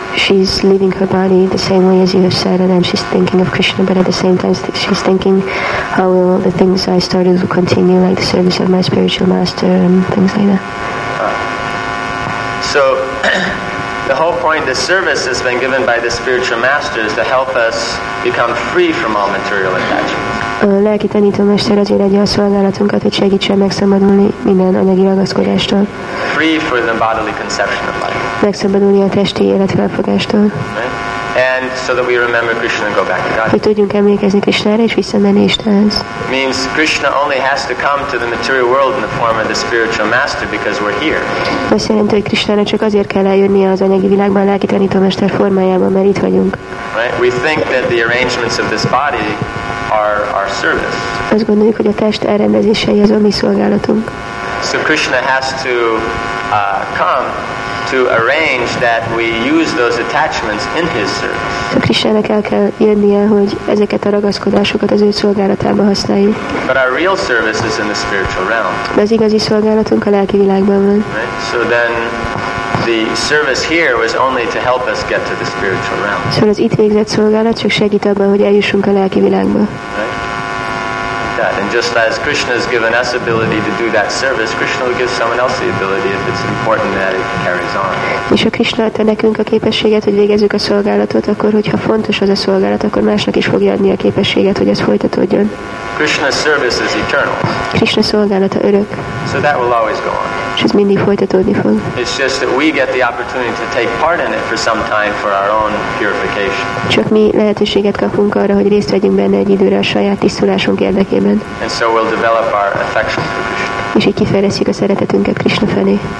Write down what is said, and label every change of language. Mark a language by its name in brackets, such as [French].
[English] she's leaving her body the same way as you have said, and then she's thinking of Krishna, but at the same time she's thinking, how will the things I started will continue, like the service of my spiritual master and things like that. So the whole point of the service has been given by the spiritual master is to help us become free from all material attachments. [Hungarian] A lelki tanítómester azért adja a szolgálatunkat, hogy segítse megszabadulni minden anyagi ragaszkodástól. [English] Free from the bodily conception of life. [Hungarian] Megszabadulni a testi életfelfogástól. [English] Right? And so that we remember Krishna and go back to God. [Hungarian] Hogy tudjunk emlékezni Krishnára és visszamenni Istenhez. [English] Means Krishna only has to come to the material world in the form of the spiritual master because we're here. [Hungarian] Azt jelenti, hogy Krishnára csak azért kell eljönnie az anyagi világban, a lelki tanítómester formájában, mert itt vagyunk. [English] Right? We think that the arrangements of this body are our service. [Hungarian] Azt gondoljuk, hogy a test elrendezései az a mi szolgálatunk. [English] So Krishna has to come to arrange that we use those attachments in his service. [Hungarian] Krishnának el kell jönnie, hogy ezeket a ragaszkodásokat az ő szolgálatába használjuk. [English] But our real service is in the spiritual realm. [Hungarian] De az igazi szolgálatunk a lelki világban van. [English] Right? So then the service here was only to help us get to the spiritual realm. [Hungarian] Szóval az itt végzett szolgálat csak segít abban, hogy eljussunk a lelki világba. [English] That. And just as Krishna has given us ability to do that service, Krishna will give someone else the ability if it's important that it carries on. [Hungarian] És ha Krishna adta nekünk a képességet, hogy végezzük a szolgálatot, akkor hogyha fontos az a szolgálat, akkor másnak is fogja adni a képességet, hogy ez folytatódjon. [English] Krishna's service is eternal. [Hungarian] Krishna szolgálata örök. [English] So that will always go on. [Hungarian] És ez mindig folytatódni fog. [English] It's just that we get the opportunity to take part in it for some time for our own purification. [Hungarian] Csak mi lehetőséget kapunk arra, hogy részt vegyünk benne egy időre a saját tisztulásunk érdekében. [English] And so we'll develop our affection for Krishna. [Hungarian] És így kifejlesztjük a szeretetünket Krishna felé.